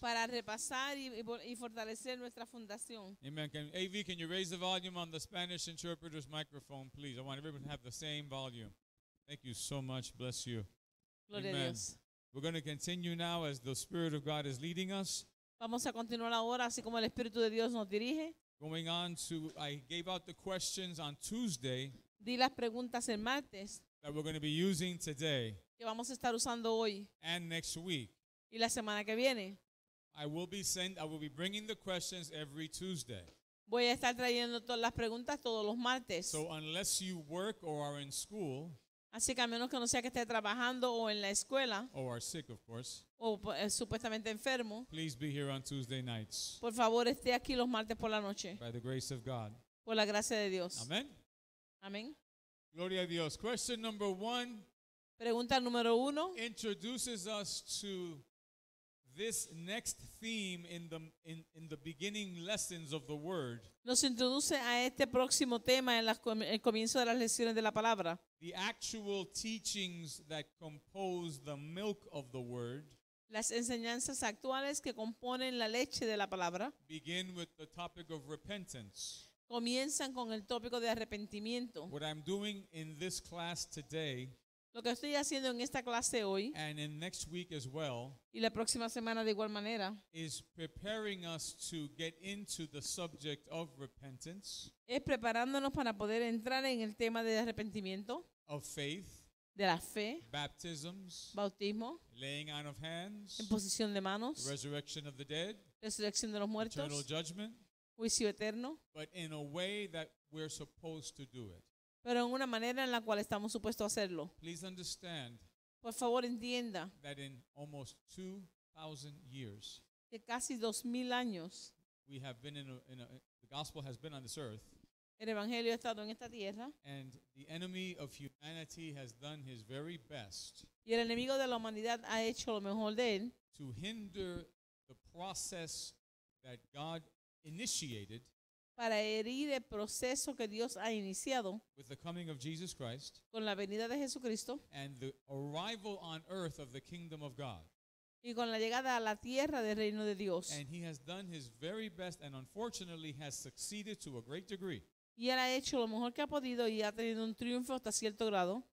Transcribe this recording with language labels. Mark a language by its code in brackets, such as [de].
[es] Para repasar y fortalecer nuestra fundación. [en] Amen. AV, can you raise the volume on the Spanish interpreter's microphone, please? I want everyone to have the same volume. Thank you so much. Bless you. [es] Gloria a Dios. [en] We're going to continue now as the Spirit of God is leading us. [es] Vamos a continuar ahora así como el Espíritu de Dios nos dirige. [en] Going on to, I gave out the questions on Tuesday. [es] Di las preguntas el martes. [en] That we're going to be using today. [es] Que vamos a estar usando hoy. [en] And next week. [es] Y la semana que viene. [en] I will be bringing the questions every Tuesday. [es] Voy a estar trayendo todas las preguntas todos los martes. [en] So unless you work or are in school. [es] Así que a menos que no sea que esté trabajando o en la escuela. [en] Or are sick, of course. [es] O supuestamente enfermo. [en] Please be here on Tuesday nights. [es] Por favor, esté aquí los martes por la noche. [en] By the grace of God. [es] Por la gracia de Dios. [en] Amen. [es] Amén. Gloria a Dios. [en] Question number one. [es] Pregunta número uno. [en] Introduces us to this next theme in the beginning lessons of the word. [es] Nos introduce a este próximo tema en el comienzo de las lecciones de la palabra. [en] The actual teachings that compose the milk of the word. [es] Las enseñanzas actuales que componen la leche de la palabra. [en] Begin with the topic of repentance. [es] Comienzan con el tópico de arrepentimiento. [en] What I'm doing in this class today, [es] lo que estoy haciendo en esta clase hoy, [en] and in next week as well, [es] y la próxima semana de igual manera, [en] is preparing us to get into the subject of repentance, [es] es preparándonos para poder entrar en el tema de arrepentimiento, [en] of faith, [es] de la fe, [en] baptisms, [es] bautismo, [en] laying on of hands, [es] imposición de manos, [en] resurrection of the dead, [es] resurrección de los muertos, [en] eternal judgment, [es] juicio eterno. [en] But in a way that we're supposed to do it. [es] Pero en una manera en la cual estamos supuestos a hacerlo. [en] Please understand. [es] Por favor, entienda. [en] That in almost 2,000 years. [es] Que casi 2,000 años. [en] We have been in a, the gospel has been on this earth. [es] El evangelio ha estado en esta tierra. [en] And the enemy of humanity has done his very best. [es] Y el enemigo de la humanidad ha hecho lo mejor de él. [en] To hinder the process that God initiated, [es] para herir el proceso que Dios ha iniciado, [en] with the coming of Jesus Christ, [es] con la venida de Jesucristo, [en] and the arrival on earth of the kingdom of God, [es] y con la llegada a la tierra del reino de Dios, [en] and he has done his very best, and unfortunately has succeeded to a great degree, [es] y él ha hecho lo mejor que ha podido y ha tenido un triunfo hasta cierto grado,